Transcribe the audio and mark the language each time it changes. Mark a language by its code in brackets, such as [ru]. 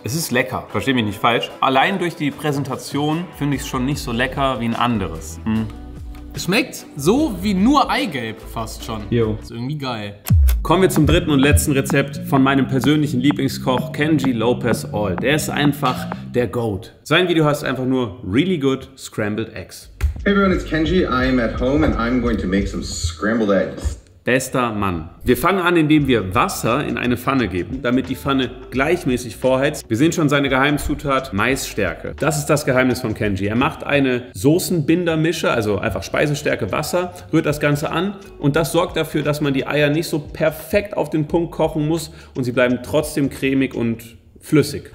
[de] Es ist lecker, verstehe mich nicht falsch. Allein durch die Präsentation finde ich es schon nicht so lecker wie ein anderes. Es schmeckt so wie nur Eigelb fast schon. Jo. Ist irgendwie geil. Kommen wir zum dritten und letzten Rezept von meinem persönlichen Lieblingskoch, Kenji Lopez All. Der ist einfach der Goat. Sein Video heißt einfach nur Really Good Scrambled Eggs. [en] Hey everyone, it's Kenji. I'm at home and I'm going to make some scrambled eggs. [de] Bester Mann. Wir fangen an, indem wir Wasser in eine Pfanne geben, damit die Pfanne gleichmäßig vorheizt. Wir sehen schon seine Geheimzutat, Maisstärke. Das ist das Geheimnis von Kenji. Er macht eine Soßenbindermische, also einfach Speisestärke, Wasser, rührt das Ganze an und das sorgt dafür, dass man die Eier nicht so perfekt auf den Punkt kochen muss und sie bleiben trotzdem cremig und flüssig.